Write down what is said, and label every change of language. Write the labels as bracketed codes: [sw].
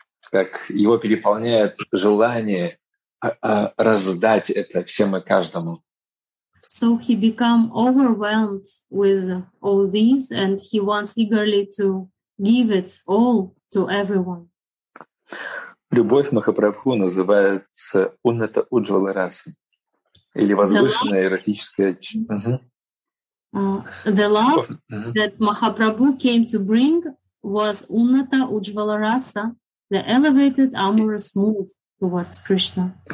[ru] Как его переполняет желание раздать это всем и каждому. [en] So he become overwhelmed with all these, and he wants eagerly to give it all to everyone. [ru] Любовь Махапрабху называется уната уджвала раса, или возвышенная эротическая. [en] The love that Махапрабху came to bring was уната уджвала раса, the elevated amorous mood towards Krishna.